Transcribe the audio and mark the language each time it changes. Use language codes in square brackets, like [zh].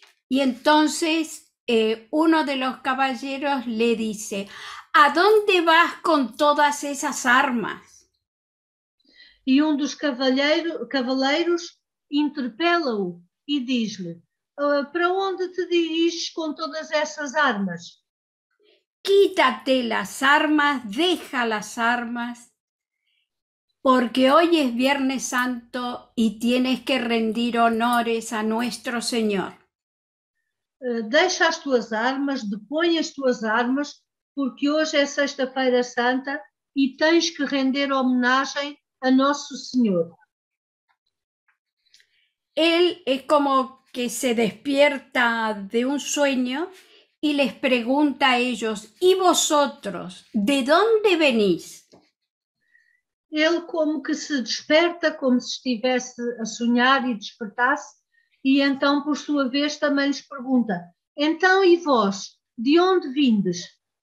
[es] E entonces um de los caballeros le dice: aonde vas com todas essas armas? [pt] E um dos cavaleiros interpela-o e diz-lhe: para onde te diriges com todas essas armas? [es] Quítate las armas, deja las armas, porque hoy es Viernes Santo y tienes que rendir honores a nuestro Señor. [pt] Deixa as tuas armas, depõe as tuas armas, porque hoje é Sexta-feira Santa e tens que render homenagem a nosso Senhor. [es] Ele é como que se despierta de un sueño y les pregunta a ellos: ¿y vosotros, de dónde venís? Él como que se desperta, como si estuviese a soñar y despertase, y entonces por su vez también les pregunta: ¿entonces y vos, de dónde vindes?